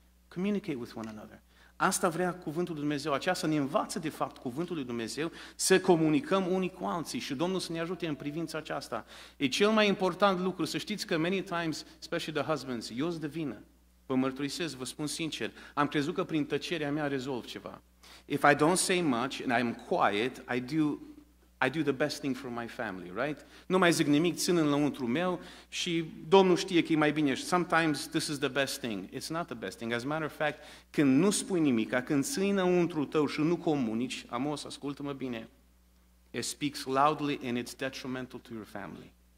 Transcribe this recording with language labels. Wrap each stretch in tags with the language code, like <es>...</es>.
<en>Communicate with one another.</en> <ro>Asta vrea cuvântul lui Dumnezeu, aceasta ne învață de fapt cuvântul lui Dumnezeu, să comunicăm unii cu alții și Domnul să ne ajute în privința aceasta. E cel mai important lucru, să știți că</ro> <en>many times, especially the husbands,</en> <ro>eu-s de vină. Vă mărturisesc, vă spun sincer, am crezut că prin tăcerea mea rezolv ceva.</ro> <en>If I don't say much and I'm quiet, I do the best thing for my family, right?</en> <ro>Nu mai zic nimic, țin înăuntru meu și Domnul știe că e mai bine.</ro> <en>Sometimes this is the best thing. It's not the best thing. As a matter of fact,</en> <ro>când nu spui nimic, când ții înăuntru tău și nu comunici, Amos, ascultă-mă bine,</ro> <en>it speaks loudly and it's detrimental to your family.</en>